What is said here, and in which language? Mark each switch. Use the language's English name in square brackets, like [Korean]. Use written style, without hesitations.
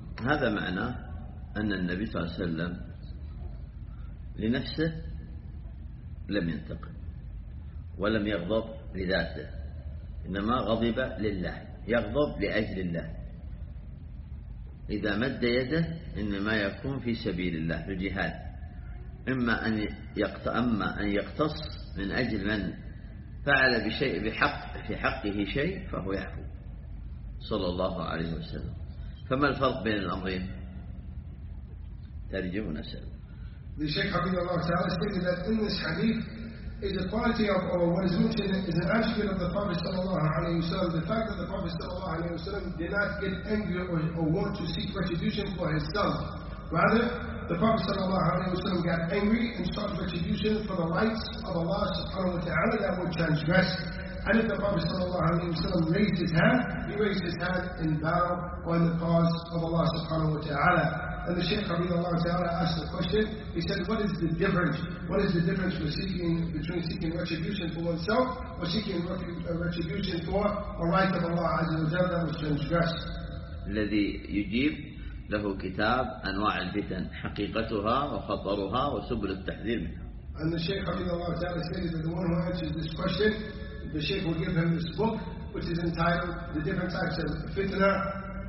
[Arabic] هذا معنى أن النبي صلى الله عليه وسلم لنفسه لم ينتقم ولم يغضب لذاته، إنما غضب لله، يغضب لأجل الله، إذا مد يده إنما يكون في سبيل الله في الجهاد، أما أن يقتص من أجل من فعل بشيء بحق في حقه شيء فهو يعفو صلى الله عليه وسلم. فما الفرق بين الأمرين؟ ترجمه نسأل. [English] The Shaykh [Arabic] حبيب الله تعالى [English] stated that in this hadith is a quality of or what is mentioned is an attribute of the Prophet sallallahu alayhi wa sallam, the fact that the Prophet sallallahu alayhi wa sallam did not get angry or want to seek retribution for himself. Rather, the Prophet sallallahu alayhi wa sallam got angry and sought retribution for the rights of Allah subhanahu wa ta'ala that were transgressed. And if the Prophet sallallahu alayhi wa sallam raised his hand, he raised his hand in vow or in the cause of Allah subhanahu wa ta'ala. And the Shaykh Habibullah Ta'ala asked the question, he said, what is the difference? What is the difference between seeking retribution for oneself or seeking retribution for a right of Allah Azza wa Jalla that was transgressed? [Arabic] الذي يجيب له كتاب أنواع الفتن حقيقتها وخطرها وسبل التحذير منها. [English] And the Shaykh Habibullah Ta'ala stated that the one who answers this question, the Shaykh will give him this book, which is entitled The Different Types of Fitna.